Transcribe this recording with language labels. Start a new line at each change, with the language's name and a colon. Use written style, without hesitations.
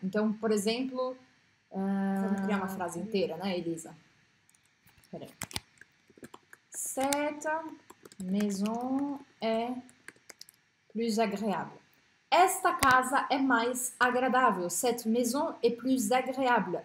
Portuguese: Então, por exemplo. Vamos criar uma frase inteira, né, Elisa? Peraí.
French: Cette maison est plus agréable.
Portuguese: Esta casa é mais agradável.
French: Cette maison est plus agréable.